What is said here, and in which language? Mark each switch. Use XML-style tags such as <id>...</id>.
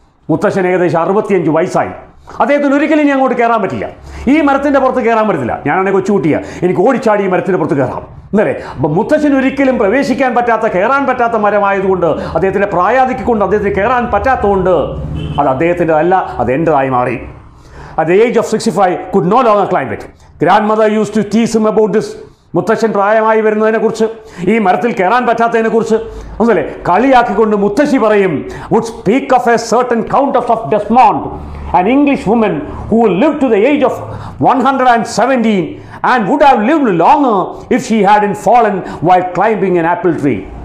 <ml>മുത്തശ്ശൻ ഏകദേശം 65 വയസ്സായി. അദ്ദേഹത്തിന് ഒരിക്കലും ഇനി അങ്ങോട്ട് കയറാൻ പറ്റില്ല, ഈ മരത്തിൻ്റെ പുറത്ത് കയറാൻ പറ്റില്ല. ഞാനാണെങ്കിൽ കൊച്ചുകുട്ടിയാണ്, എനിക്ക് ഓടിച്ചാടി ഈ മരത്തിൻ്റെ പുറത്ത് കയറാം. അല്ലേ? അപ്പോൾ മുത്തച്ഛൻ ഒരിക്കലും പ്രവേശിക്കാൻ പറ്റാത്ത, കയറാൻ പറ്റാത്ത മരമായതുകൊണ്ട്, അദ്ദേഹത്തിൻ്റെ പ്രായാധിക്ക് കൊണ്ട് അദ്ദേഹത്തിന് കയറാൻ പറ്റാത്തതുകൊണ്ട് അത് അദ്ദേഹത്തിൻ്റെതല്ല, അത് എൻ്റെതായി മാറി.</ml> <en>At the age of 65, could no longer climb it. Grandmother used to tease him about this.</en> <ml>മുത്തച്ഛൻ പ്രായമായി വരുന്നതിനെക്കുറിച്ച്, ഈ മരത്തിൽ കയറാൻ പറ്റാത്തതിനെക്കുറിച്ച് ഒന്നല്ലേ കളിയാക്കിക്കൊണ്ട് മുത്തശ്ശി പറയും,</ml> <en>Would speak of a certain countess of Desmond, an English woman who live to the age of 117 and would have lived longer if she had in fallen while climbing an apple tree.</en>